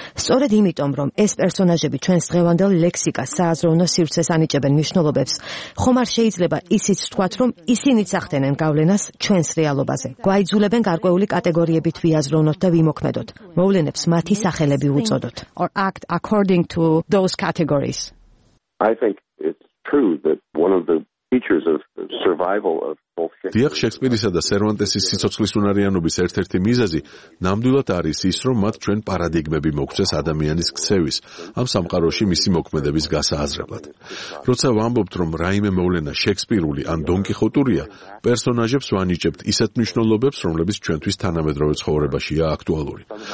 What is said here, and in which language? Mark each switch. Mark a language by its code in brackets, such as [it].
[ka] სწორედ იმიტომ, რომ ეს პერსონაჟები ჩვენს დღევანდელ ლექსიკას სააზროვნო სივრცეს ანიჭებენ მნიშვნელობებს, ხომ არ შეიძლება ისიც ვთქვათ, რომ ისინიც ახდენენ გავლენას ჩვენს რეალობაზე. გვაიძულებენ გარკვეული კატეგორიებით ვიაზროვნოთ და ვიმოქმედოთ. მოვლენებს მათი სახელები უწოდოთ. [en] Or act according to those categories. I think it's true that one of the features of survival of [ka] დიახ, შექსპირისა და სერვანტესის სიცოცხლის უნარიანობის ერთ-ერთი მიზეზი ნამდვილად არის ის, რომ მათ ჩვენ პარადიგმები მოგვცეს ადამიანის ქცევის ამ სამყაროში მისი მოქმედების გასააზრებლად. როცა ვამბობთ, რომ რაიმე მოვლენა შექსპირული ან დონკიხოტურია, პერსონაჟებს ვანიჭებთ ისეთ მნიშვნელობებს, რომლებიც ჩვენთვის თანამედროვე ცხოვრებაშია აქტუალური.